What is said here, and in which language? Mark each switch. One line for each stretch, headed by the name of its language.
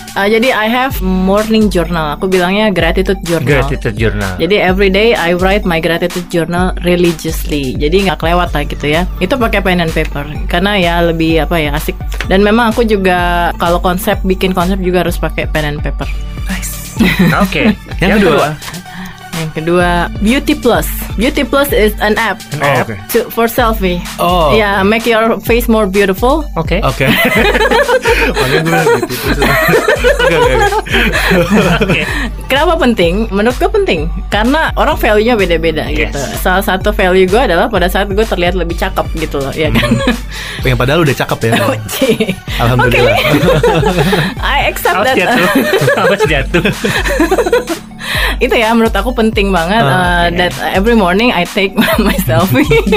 English: Jadi I have morning journal.
Indonesian: Aku bilangnya
English: gratitude journal. Jadi every day I write my gratitude journal religiously.
Indonesian: Jadi gak kelewat lah gitu ya. Itu pakai pen and paper, karena ya lebih apa ya, asik. Dan memang aku juga kalau konsep, bikin konsep juga harus pakai pen and paper. Nice. Oke. Okay. Yang kedua,
English: Beauty Plus. Beauty Plus is an app. Okay. For selfie. Oh. Yeah, make your face more beautiful. Okay. Okay. Okay.
Indonesian: Kenapa penting? Menurut gue penting karena orang value-nya beda-beda.
English: Yes.
Indonesian: Gitu. Salah satu value gue adalah pada saat gue terlihat lebih cakep gitu loh, ya kan? Yang padahal udah cakep ya. Alhamdulillah.
English: Okay. I accept that.
Indonesian: Harus jatuh. Itu ya menurut aku penting banget.
English: Okay. That every morning I take my selfie.